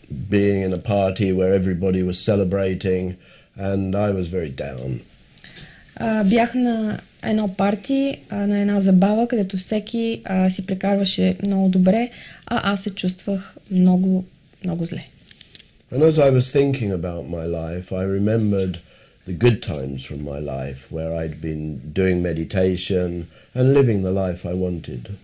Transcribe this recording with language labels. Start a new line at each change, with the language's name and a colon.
English: Being in a party where everybody was celebrating and I was very down.
Bulgarian: Бях на едно парти, на една забава, където всеки си прекарваше много добре, а аз се чувствах много, много зле.
English: And as I was thinking about my life, I remembered the good times from my life, where I'd been doing meditation and living the life I wanted.